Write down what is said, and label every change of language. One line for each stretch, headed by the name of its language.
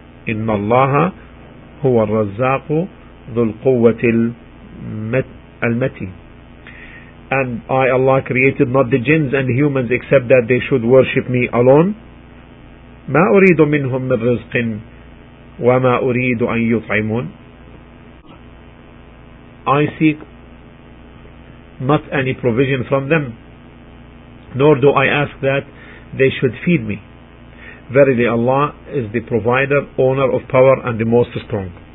Arabic: إن الله هو الرزاق ذو القوة المتين.
English: And I, Allah, created not the jinns and humans except that they should worship me alone.
Arabic: ما أريد منهم من رزق وما أريد أن يطعمون.
English: I seek not any provision from them, nor do I ask that they should feed me. Verily Allah is the provider, owner of power, and the most strong.